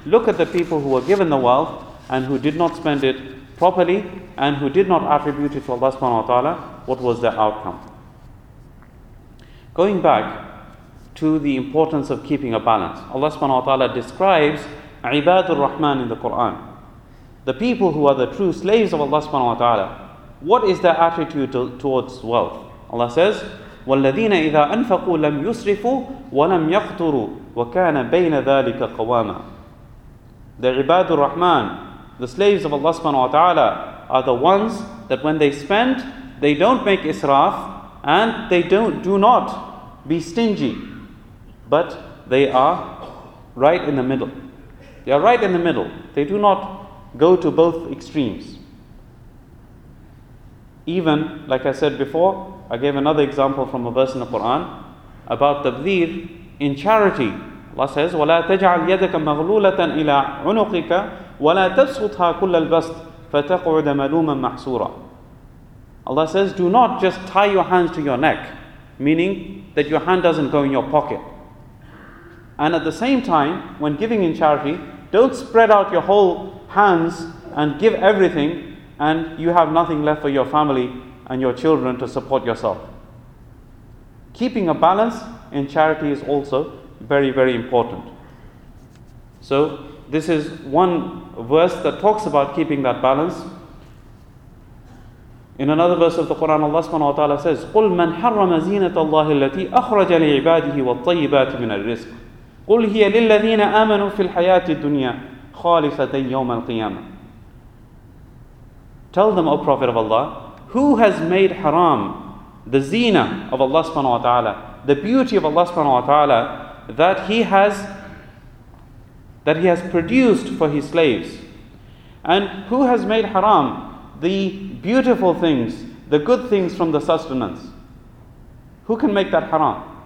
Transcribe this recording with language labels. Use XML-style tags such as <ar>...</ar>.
<en>Look at the people who were given the wealth and who did not spend it properly and who did not attribute it to Allah subhanahu wa ta'ala, what was their outcome? Going back to the importance of keeping a balance, Allah subhanahu wa ta'ala describes Ibadur Rahman in the Quran. The people who are the true slaves of Allah subhanahu wa ta'ala, what is their attitude towards wealth? Allah says,</en> <ar>وَالَّذِينَ إِذَا أَنْفَقُوا لَمْ يُسْرِفُوا وَلَمْ يَقْتُرُوا وَكَانَ بَيْنَ ذَلِكَ قَوَامًا.</ar> <en>The Ibadur Rahman, the slaves of Allah subhanahu wa ta'ala, are the ones that when they spend, they don't make israf, and they do not be stingy, but they are right in the middle. They are right in the middle. They do not go to both extremes. Even, like I said before, I gave another example from a verse in the Quran about tabdhir in charity. Allah says,</en> <ar>وَلَا تَجْعَلْ يَدَكَ مَغْلُولَةً إِلَىٰ عُنُقِكَ وَلَا تَبْسُطْهَا كُلَّ الْبَسْطِ فَتَقْعُدَ مَلُومًا مَحْسُورًا.</ar> <en>Allah says, do not just tie your hands to your neck, meaning that your hand doesn't go in your pocket. And at the same time, when giving in charity, don't spread out your whole hands and give everything and you have nothing left for your family and your children to support yourself. Keeping a balance in charity is also very, very important. So this is one verse that talks about keeping that balance. In another verse of the Quran, Allah subhanahu wa ta'ala says,</en> <ar>قُلْ مَنْ حَرَّمَ زِينَةَ اللَّهِ الَّتِي أَخْرَجَ لِعِبَادِهِ وَالطَّيِّبَاتِ مِنَ الرِّزْقِ قُلْ هِيَ لِلَّذِينَ آمَنُوا فِي الْحَيَاةِ الدُّنْيَا خَالِفَةً يَوْمَ الْقِيَامَةِ.</ar> <en>Tell them, O Prophet of Allah, who has made haram the zina of Allah subhanahu wa ta'ala, the beauty of Allah subhanahu wa ta'ala, that he has produced for his slaves? And who has made haram the beautiful things, the good things from the sustenance? Who can make that haram?</en>